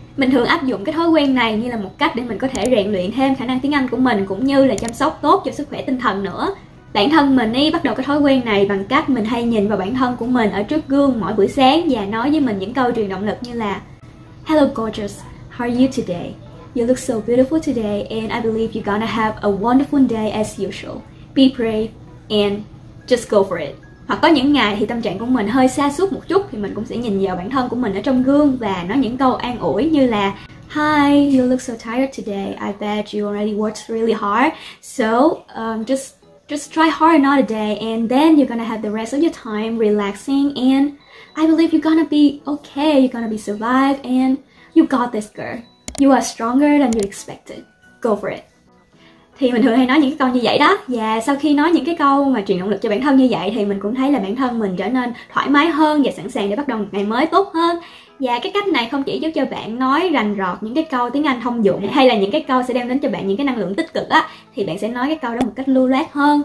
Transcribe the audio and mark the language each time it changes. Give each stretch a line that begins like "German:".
Vietnamese: Mình thường áp dụng cái thói quen này như là một cách để mình có thể rèn luyện thêm khả năng tiếng Anh của mình cũng như là chăm sóc tốt cho sức khỏe tinh thần nữa. Bản thân mình ấy bắt đầu cái thói quen này bằng cách mình hay nhìn vào bản thân của mình ở trước gương mỗi buổi sáng và nói với mình những câu truyền động lực như là
English: Hello gorgeous, how are you today? You look so beautiful today and I believe you're gonna have a wonderful day as usual. Be brave and just go for it.
Vietnamese: Hoặc có những ngày thì tâm trạng của mình hơi sa sút một chút thì mình cũng sẽ nhìn vào bản thân của mình ở trong gương và nói những câu an ủi như là
English: Hi, you look so tired today. I bet you already worked really hard. So just try hard another day and then you're gonna have the rest of your time relaxing and I believe you're gonna be okay. You're gonna be survived and you got this girl. You are stronger than you expected. Go for it.
Vietnamese: Thì mình thường hay nói những cái câu như vậy đó. Và sau khi nói những cái câu mà truyền động lực cho bản thân như vậy thì mình cũng thấy là bản thân mình trở nên thoải mái hơn và sẵn sàng để bắt đầu một ngày mới tốt hơn. Và cái cách này không chỉ giúp cho bạn nói rành rọt những cái câu tiếng Anh thông dụng hay là những cái câu sẽ đem đến cho bạn những cái năng lượng tích cực á, thì bạn sẽ nói cái câu đó một cách lưu loát hơn.